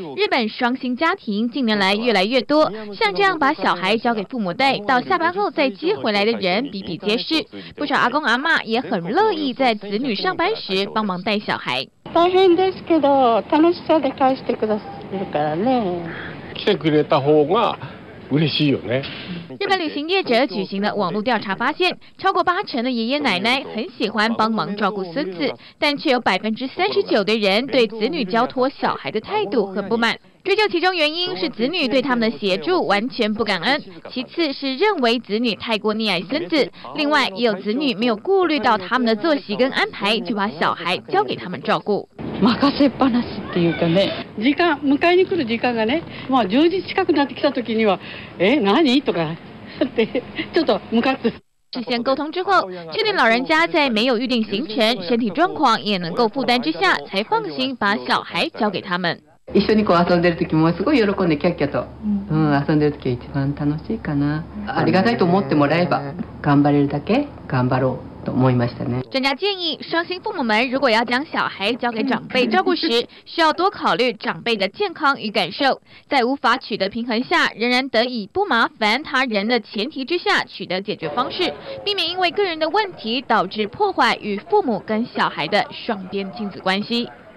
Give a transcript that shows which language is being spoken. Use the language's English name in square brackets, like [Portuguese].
[Chinese] 日本双薪家庭近年来越来越多，像这样把小孩交给父母带，到下班后再接回来的人比比皆是。不少阿公阿嬷也很乐意在子女上班时帮忙带小孩。 [Japanese] 大変ですけど、楽しさで返してくださるからね。来てくれた方が。 [Chinese] 日本旅行业者举行的网络调查发现，超过80%的爷爷奶奶很喜欢帮忙照顾孙子，但却有39%的人对子女交托小孩的态度很不满。追究其中原因是子女对他们的协助完全不感恩，其次是认为子女太过溺爱孙子，另外也有子女没有顾虑到他们的作息跟安排，就把小孩交给他们照顾。 [Japanese] 任せっぱなしっていうかね、時間迎えに来る時間がね、まあ10時近くなってきた時には、え、何とかってちょっとムカつ。 [Chinese] 事先沟通之后，确定老人家在没有预定行程、身体状况也能够负担之下，才放心把小孩交给他们。 [Japanese] 一緒にこう遊んでる時もすごい喜んでキャッキャと、遊んでる時が一番楽しいかな。ありがたいと思ってもらえば、頑張れるだけ頑張ろう。 [Chinese] 专家建议，双薪父母们如果要将小孩交给长辈照顾时，需要多考虑长辈的健康与感受，在无法取得平衡下，仍然得以不麻烦他人的前提之下取得解决方式，避免因为个人的问题导致破坏与父母跟小孩的双边亲子关系。